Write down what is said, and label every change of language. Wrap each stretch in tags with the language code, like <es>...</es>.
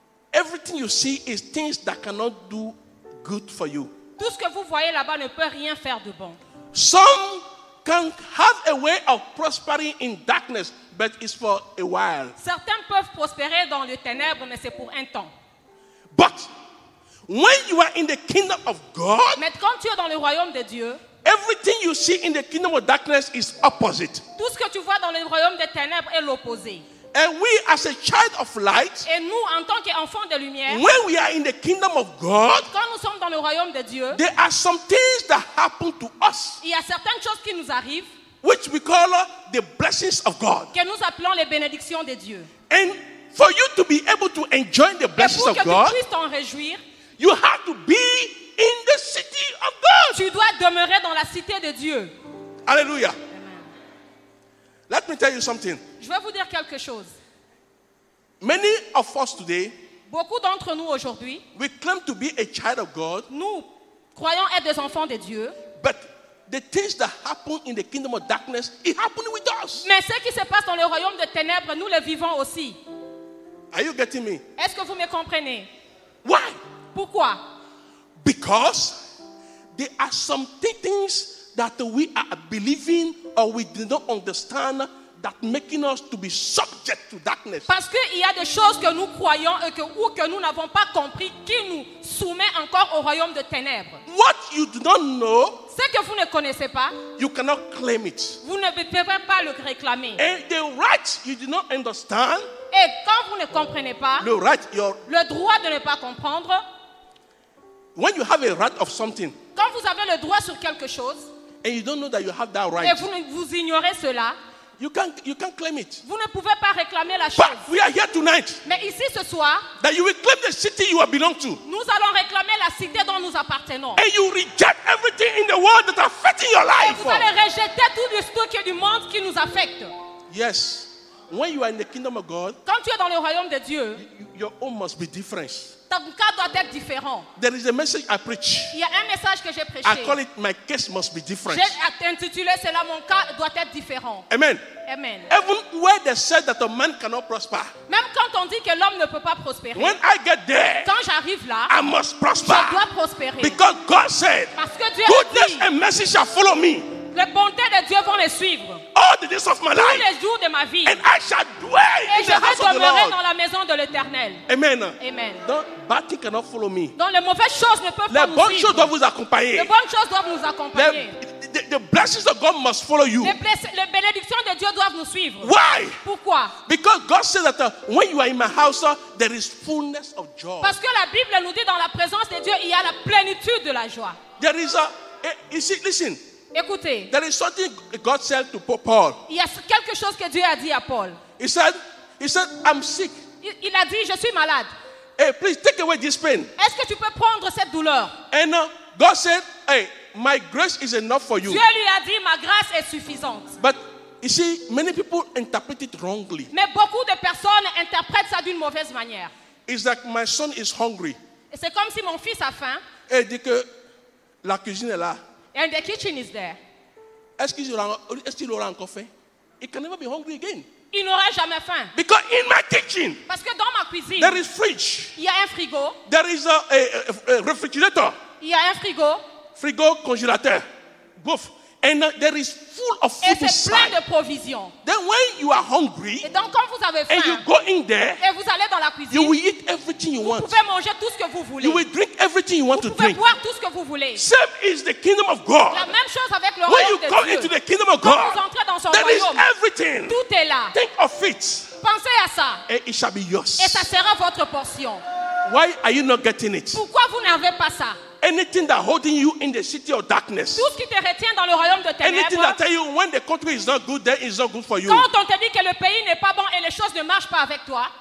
<en>everything you see is things that cannot do good for you.</en> <fr>Tout ce que vous voyez là-bas ne peut rien faire de bon.</fr> <en>Some can have a way of prospering in darkness, but it's for a while.</en> <fr>Certains peuvent prospérer dans les ténèbres, mais c'est pour un temps.</fr> <en>But when you are in the kingdom of God,</en> <fr>mais quand tu es dans le royaume de Dieu,</fr> <en>everything you see in the kingdom of darkness is opposite.</en> <fr>Tout ce que tu vois dans le royaume des ténèbres est l'opposé.</fr> <en>And we as a child of light,</en> <fr>et nous en tant qu'enfants de lumière,</fr> <en>when we are in the kingdom of God,</en> <fr>quand nous sommes dans le royaume de Dieu,</fr> <en>there are some things that happen to us,</en> <fr>il y a certaines choses qui nous arrivent,</fr> <en>which we call the blessings of God,</en> <fr>que nous appelons les bénédictions de Dieu.</fr> <en>And for you to be able to enjoy the blessings of God,</en> <fr>pour que tu puisses t'en réjouir,</fr> <en>you have to be in the city of God.</en> <fr>Tu dois demeurer dans la cité de Dieu.</fr> <en>Alléluia. Let me tell you something.</en> <fr>Je vais vous dire quelque chose.</fr> <en>Many of us today,</en> <fr>beaucoup d'entre nous aujourd'hui,</fr> <en>we claim to be a child of God.</en> <fr>Nous croyons être des enfants de Dieu.</fr> <en>But the things that happen in the kingdom of darkness, it happens with us.</en> <fr>Mais ce qui se passe dans le royaume des ténèbres, nous le vivons aussi.</fr> <en>Are you getting me?</en> <fr>Est-ce que vous me comprenez?</fr> <en>Why?</en> <fr>Pourquoi?</fr> <en>Because there are some things that we are believing or we do not understand that making us to be subject to darkness.</en> <fr>Parce qu'il y a des choses que nous croyons et que, ou que nous n'avons pas compris qui nous soumet encore au royaume de ténèbres.</fr> <en>What you do not know,</en> <fr>ce que vous ne connaissez pas,</fr> <en>you cannot claim it.</en> <fr>Vous ne pouvez pas le réclamer.</fr> <en>And the right you do not understand,</en> <fr>et quand vous ne comprenez pas,</fr> <en>le, right, your,</en> <fr>le droit de ne pas comprendre,</fr> <en>when you have a right of something,</en> <fr>quand vous avez le droit sur quelque chose,</fr> <en>and you don't know that you have that right,</en> <fr>et vous ignorez cela,</fr> <en>you can't claim it.</en> <fr>Vous ne pouvez pas réclamer la</fr> <en>but</en> <fr>chose.</fr> <en>We are here tonight,</en> <fr>mais ici ce soir,</fr> <en>that you will claim the city you belong to.</en> <fr>Nous allons réclamer la cité dont nous appartenons.</fr> <en>And you reject everything in the world that affecting your life.</en> <fr>Et vous allez rejeter tout le stock du monde qui nous affecte.</fr> <en>Yes. When you are in the kingdom of God,</en> <fr>quand tu es dans le royaume de Dieu,</fr> <en>your home must be different.</en> <fr>Ton cas doit être différent.</fr> <en>There is a message I preach.</en> <fr>Il y a un message que j'ai prêché.</fr> <en>I call it my case must be different.</en> <fr>J'ai intitulé cela mon cas doit être différent.</fr> <en>Amen.</en> <fr>Amen.</fr> <en>Even where they said that a man cannot prosper.</en> <fr>Même quand on dit que l'homme ne peut pas prospérer.</fr> <en>When I get there,</en> <fr>quand j'arrive là,</fr> <en>I must prosper.</en> <fr>Je dois prospérer.</fr> <en>Because God said,</en> <fr>parce que Dieu a</fr> <en>goodness</en> <fr>dit,</fr> <en>and mercy shall follow me.</en> <fr>Les bontés de Dieu vont les suivre.</fr> <en>All the days of my life.</en> <fr>Tous les jours de ma vie.</fr> <en>And I shall dwell</en> <fr>et</fr> <en>in</en> <fr>je vais demeurer dans la maison de l'Éternel.</fr> <en>Amen.</en> <fr>Amen.</fr> <en>Donc, bad things cannot follow me.</en> <fr>Donc, les mauvaises choses ne peuvent les pas nous suivre. Doivent vous accompagner. Les bonnes choses doivent nous accompagner.</fr> <en>The blessings of God must follow you.</en> <fr>Les bénédictions de Dieu doivent nous suivre.</fr> <en>Why?</en> <fr>Pourquoi?</fr> <en>Because God says that when you are in my house, there is fullness of joy.</en> <fr>Parce que la Bible nous dit dans la présence de Dieu, il y a la plénitude de la joie.</fr> <en>There is a. You see, listen.</en> <fr>Écoutez,</fr> <en>there is something God said to Paul.</en> <fr>Il y a quelque chose que Dieu a dit à Paul.</fr> <en>He said, I'm sick.</en> <fr>Il a dit, je suis malade.</fr> <en>Hey, please take away this pain.</en> <fr>Est-ce que tu peux prendre cette douleur?</fr> <en>And God said, hey, my grace is enough for you.</en> <fr>Dieu lui a dit, ma grâce est suffisante.</fr> <en>But you see, many people interpret it wrongly.</en> <fr>Mais beaucoup de personnes interprètent ça d'une mauvaise manière.</fr> <en>It's like my son is hungry.</en> <fr>Et c'est comme si mon fils a faim. Et dit que la cuisine est là.</fr> <en>And the kitchen is there.</en> <fr>Est-ce qu'il aura encore faim?</fr> <en>He can never be hungry again.</en> <fr>Il n'aura jamais faim.</fr> <en>Because in my kitchen,</en> <fr>parce que dans ma cuisine,</fr> <en>there is fridge.</en> <fr>Il y a un frigo.</fr> <en>There is a refrigerator.</en> <fr>Il y a un frigo. Frigo, congélateur. Bouffe.</fr> <en>And there is full of food</en> <fr>inside. Et c'est plein de provisions.</fr> <en>Then when you are hungry.</en> <fr>Et donc quand vous avez faim.</fr> <en>And you go in there.</en> <fr>Et vous allez dans la cuisine.</fr> <en>You will eat everything you want.</en> <fr>Vous pouvez manger tout ce que vous voulez.</fr> <en>You will drink everything you want</en> <fr>vous</fr> <en>to drink.</en> <fr>Vous pouvez boire tout ce que vous voulez.</fr> <en>Same is the kingdom of God.</en> <fr>La même chose avec le</fr> <en>when</en> <fr>royaume</fr> <en>you come</en> <fr>Dieu.</fr> <en>Into the kingdom of God.</en> <fr>Quand vous entrez dans son</fr> <en>there</en> <fr>royaume.</fr> <en>There is everything.</en> <fr>Tout est là.</fr> <en>Think of it.</en> <fr>Pensez à ça.</fr> <en>And it shall be yours.</en> <fr>Et ça sera votre portion.</fr> <en>Why are you not getting it?</en> <fr>Pourquoi vous n'avez pas ça?</fr> <en>Anything that holding you in the city of darkness.</en> <fr>Tout ce qui te retient dans le royaume de ténèbres.</fr> <en>Anything that tell you when the country is not good, then it's not good for you.</en> <fr>Quand on te dit que le pays n'est pas bon et les choses ne marchent pas avec toi.</fr>